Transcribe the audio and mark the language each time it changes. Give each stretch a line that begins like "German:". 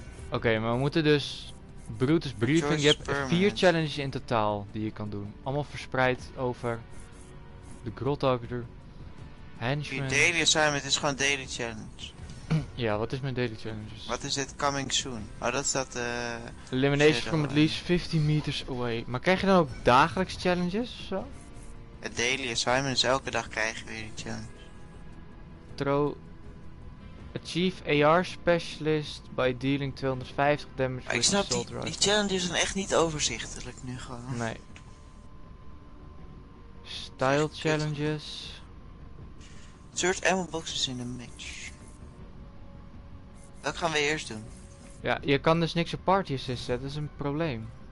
Dutch: Oké, maar we moeten dus Brutus Briefing, je hebt permanent. 4 challenges in totaal die je kan doen. Allemaal verspreid over de Grottalker, Henchman. Je daily assignment is gewoon daily challenge. Ja, wat is mijn daily challenge? Wat is dit coming soon? Oh, dat is dat
English: Elimination from at least 50 meters away.
Dutch: Maar krijg je dan ook dagelijks challenges of zo? Het daily assignment is elke dag krijgen we die challenge.
English: Throw a chief AR specialist by dealing 250 damage.
Dutch: Ik snap die challenges zijn echt niet overzichtelijk nu gewoon. Nee.
English: Style challenges. Search ammo boxes in a match.
Dutch: Dat gaan we eerst doen. Ja, je kan dus niks op party assist zetten, dat is een probleem.